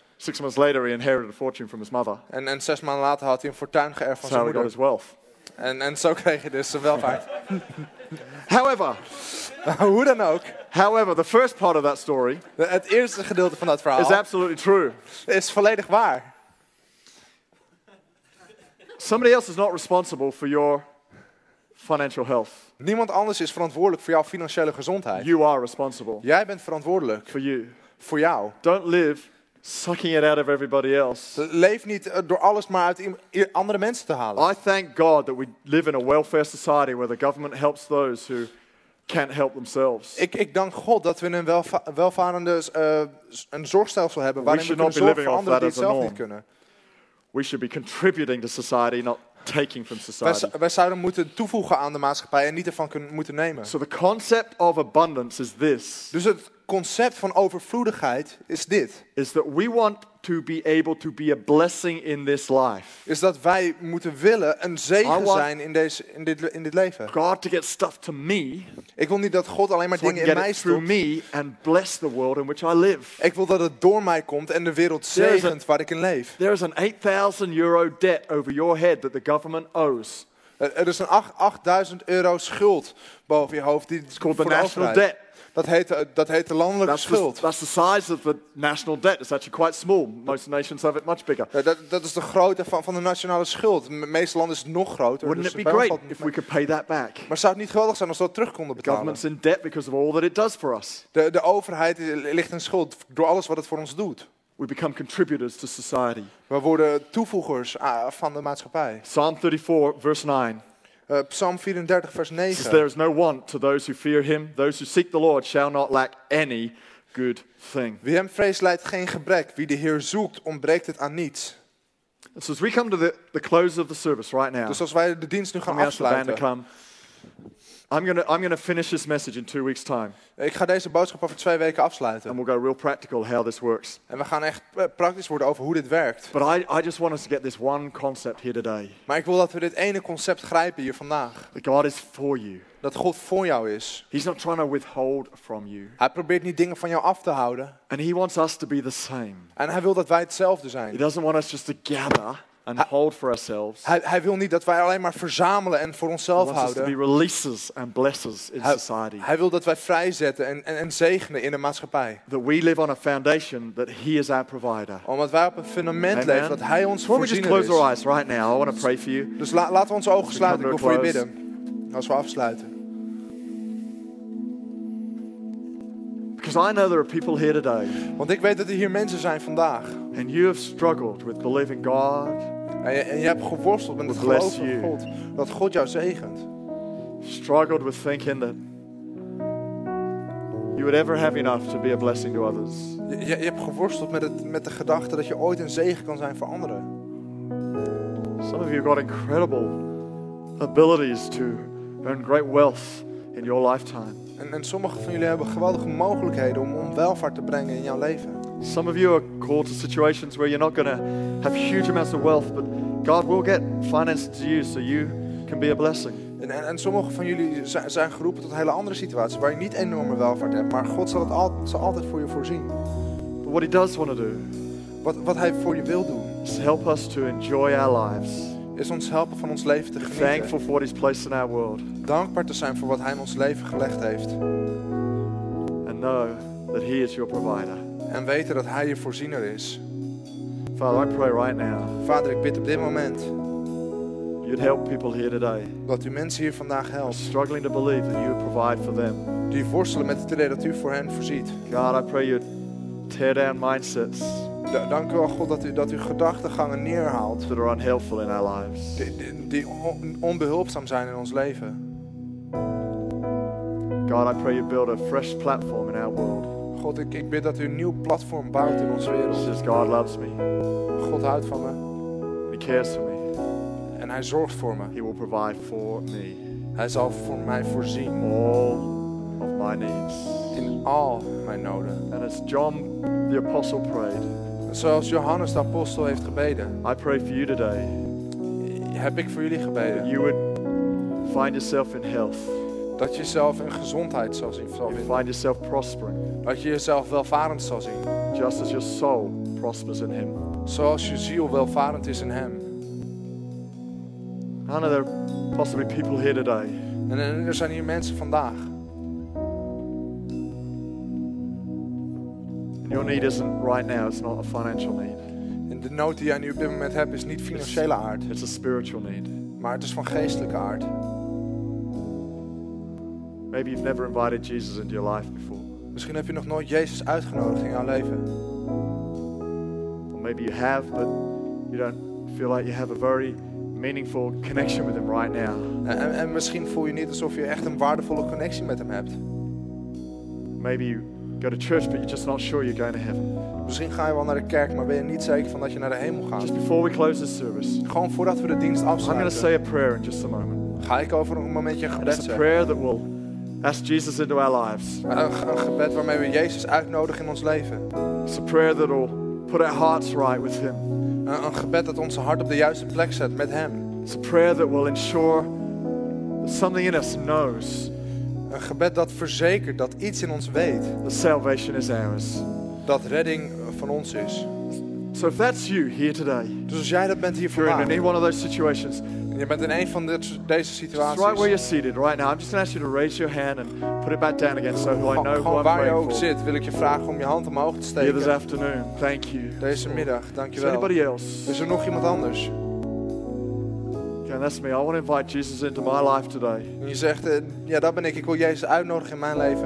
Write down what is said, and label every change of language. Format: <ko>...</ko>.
<en>6 months later, he inherited a fortune from his mother.</en> <nl>En 6 maanden later had hij een fortuin geërfd van zijn moeder.</nl> <en>So he got his wealth.</en> <nl>En zo kreeg hij dus zijn welvaart.</nl> <en>However,</en> <nl>hoe dan ook.</nl> <en>However, the first part of that story,</en> <nl>het eerste gedeelte van dat verhaal,</nl> <en>is absolutely true.</en> <nl>Is volledig waar.</nl> <en>Somebody else is not responsible for your financial health.</en> <nl>Niemand anders is verantwoordelijk voor jouw financiële gezondheid.</nl> <en>You are responsible.</en> <nl>Jij bent verantwoordelijk.</nl> <en>For you.</en> <nl>Voor jou.</nl> <en>Don't live sucking it out of everybody else.</en> <nl>Leef niet door alles maar uit andere mensen te halen.</nl> <en>I thank God that we live in a welfare society where the government helps those who can't help themselves.</en> <nl>Ik dank God dat we in een welvarende een zorgstelsel hebben waarin we kunnen zorgen voor anderen die het zelf niet kunnen.</nl> <en>We should be contributing to society, not taking from society.</en> <nl>Wij zouden moeten toevoegen aan de maatschappij en niet ervan moeten nemen.</nl> <en>So the concept of abundance is this.</en> <nl>Dus het concept van overvloedigheid is dit.</nl> <en>Is that we want to be able to be a blessing in this life.</en> <nl>Is dat wij moeten willen een zegen zijn in dit leven.</nl> <en>God to get stuff to me.</en> <nl>Ik wil niet dat God alleen maar dingen in mij stopt.</nl> <en>Me and bless the world in which I live.</en> <nl>Ik wil dat het door mij komt en de wereld zegent waar ik in leef.</nl> <en>There is an 8,000 euro debt over your head that the government owes.</en> <nl>Er is een 8,000 euro schuld boven je hoofd die</nl> <en>is called the national debt.</en> <nl>Dat heet de landelijke schuld.</nl> <en>That's the size of the national debt. It's actually quite small. Most nations have it much bigger.</en> <nl>Dat is de grootte van de nationale schuld. Meeste landen is het nog groter.</nl> <en>Wouldn't it be great if we could pay that back?</en> <nl>Maar zou het niet geweldig zijn als we dat terug konden betalen?</nl> <en>The government's in debt because of all that it does for us.</en> <nl>De overheid ligt in schuld door alles wat het voor ons doet.</nl> <en>We become contributors to society.</en> <nl>We worden toevoegers van de maatschappij.</nl> <en>Psalm 34, verse 9.</en> <nl>Psalm 34, vers 9.</nl> <en>There is no want to those who fear him. Those who seek the Lord shall not lack any good thing.</en> <nl>Wie hem vreest, leidt geen gebrek. Wie de Heer zoekt, ontbreekt het aan niets.</nl> <en>And so as we come to the close of the service right now.</en> <nl>Dus als wij de dienst nu gaan afsluiten.</nl> <en>I'm gonna finish this message in 2 weeks' time.</en> <nl>Ik ga deze boodschap over 2 weken afsluiten.</nl> <en>And we'll go real practical how this works.</en> <nl>En we gaan echt praktisch worden over hoe dit werkt.</nl> <en>But I just want us to get this one concept here today.</en> <nl>Maar ik wil dat we dit ene concept grijpen hier vandaag.</nl> <en>That God is for you.</en> <nl>Dat God voor jou is.</nl> <en>He's not trying to withhold from you.</en> <nl>Hij probeert niet dingen van jou af te houden.</nl> <en>And he wants us to be the same.</en> <nl>En hij wil dat wij hetzelfde zijn.</nl> <en>He doesn't want us just to gather. And hold for ourselves.</en> <nl>Hij wil niet dat wij alleen maar verzamelen en voor onszelf houden.</nl> <en>To be releases and blessers in society.</en> <nl>Hij wil dat wij vrijzetten en zegenen in de maatschappij.</nl> <en>That we live on a foundation that He is our provider.</en> <nl>Omdat wij op een fundament leven dat Hij ons voorziener is.</nl> <en>We just close our eyes right now. I want to pray for you.</en> <nl>Dus laten we onze ogen sluiten. Ik wil voor je bidden. Als we afsluiten.</nl> <en>Because I know there are people here today.</en> <nl>Want ik weet dat er hier mensen zijn vandaag.</nl> <en>And you have struggled with believing God.</en> <nl>En je hebt geworsteld met het geloven in God. Dat God jou zegent.</nl> <en>Struggled with thinking that you would ever have enough to be a blessing to others.</en> <nl>Je hebt geworsteld met de gedachte dat je ooit een zegen kan zijn voor anderen.</nl> <en>Some of you got incredible abilities to earn great wealth in your lifetime.</en> <nl>En sommige van jullie hebben geweldige mogelijkheden om welvaart te brengen in jouw leven.</nl> <en>Some of you are called to situations where you're not going to have huge amounts of wealth, but God will get finances to you so you can be a blessing.</en> <nl>En sommige van jullie zijn geroepen tot hele andere situaties waar je niet enorme welvaart hebt, maar God zal altijd voor je voorzien.</nl> <en>But what He does want to do,</en> <nl>wat Hij voor je wil doen,</nl> <en>is help us to enjoy our lives.</en> <nl>Is ons helpen van ons leven te genieten.</nl> <en>Thankful for what He's placed in our world.</en> <nl>Dankbaar te zijn voor wat Hij in ons leven gelegd heeft.</nl> <en>And know that He is your provider.</en> <nl>En weten dat Hij je voorziener is.</nl> <en>Father, I pray right now.</en> <nl>Vader, ik bid op dit moment.</nl> <en>You'd help people here today.</en> <nl>Dat u mensen hier vandaag helpt.</nl> <en>Struggling to believe that you would provide for them.</en> <nl>Die worstelen met het idee dat u voor hen voorziet.</nl> <en>God, I pray you'd tear down mindsets.</en> <nl>Dank u wel, God, dat u gedachtegangen neerhaalt.</nl> <en>That are unhelpful in our lives.</en> <nl>Die onbehulpzaam zijn in ons leven.</nl> <en>God, I pray you build a fresh platform in our world.</en> <nl>God, ik bid dat u een nieuw platform bouwt in onze wereld.</nl> <en>Says God loves me.</en> <nl>God houdt van me.</nl> <en>He cares for me.</en> <nl>En Hij zorgt voor me.</nl> <en>He will provide for me.</en> <nl>Hij zal voor mij voorzien.</nl> <en>All of my needs.</en> <nl>in al mijn noden.</nl> <en>And as John the apostle prayed,</en> <nl>zoals Johannes de apostel heeft gebeden,</nl> <en>I pray for you today.</en> <nl>Heb ik voor jullie gebeden.</nl> <en>You would find yourself in health.</en> <nl>Dat je jezelf in gezondheid zal zien.</nl> <en>You find yourself prospering.</en> <nl>Dat je jezelf welvarend zal zien.</nl> <en>Just as your soul prospers in Him.</en> <nl>Zoals je ziel welvarend is in Hem.</nl> <en>I know there are possibly people here today.</en> <nl>En er zijn hier mensen vandaag.</nl> <en>And your need isn't right now. It's not a financial need.</en> <nl>En de nood die jij nu op dit moment hebt is niet financiële aard.</nl> <en>It's a spiritual need.</en> <nl>Maar het is van geestelijke aard.</nl> <en>Maybe you've never invited Jesus into your life before.</en> <nl>Misschien heb je nog nooit Jezus uitgenodigd in jouw leven.</nl> <en>Or maybe you have, but you don't feel like you have a very meaningful connection with Him right now.</en> <nl>En misschien voel je niet alsof je echt een waardevolle connectie met Hem hebt.</nl> <en>Maybe you go to church, but you're just not sure you're going to heaven.</en> <nl>Misschien ga je wel naar de kerk, maar ben je niet zeker van dat je naar de hemel gaat.</nl> <en>Just before we close this service.</en> <nl>Gewoon voordat we de dienst afsluiten.</nl> <en>I'm going to say a prayer in just a moment.</en> <nl>Ga ik over een momentje een gebed zeggen.</nl> <en>A prayer that will ask Jesus into our lives.</en> <nl>Een gebed waarmee we Jezus uitnodigen in ons leven.</nl> <en>It's a prayer that will put our hearts right with Him.</en> <nl>Een gebed dat onze hart op de juiste plek zet met Hem.</nl> <en>It's a prayer that will ensure that something in us knows.</en> <nl>Een gebed dat verzekert dat iets in ons weet.</nl> <en>That salvation is ours.</en> <nl>Dat redding van ons is.</nl> <en>So if that's you here today.</en> <nl>Dus als jij dat bent hier vandaag.</nl> <en>You're in any one of those situations.</en> <nl>En je bent in een van deze situaties.</nl> <en>Just right where you're seated right now. I'm just going to ask you to raise your hand and put it back down again so I know who I'm praying</en> <nl>for. Waar je ook zit, wil ik je vragen om je hand omhoog te steken.</nl> <en>Here this afternoon. Thank you.</en> <nl>Deze middag. Dankjewel.</nl> <en>Is anybody else?</en> <nl>Is er nog iemand anders?</nl> <en>And that's me. I want to invite Jesus into my life today.</en> <nl>En je zegt, ja, dat ben ik. Ik wil Jezus uitnodigen in mijn leven.</nl>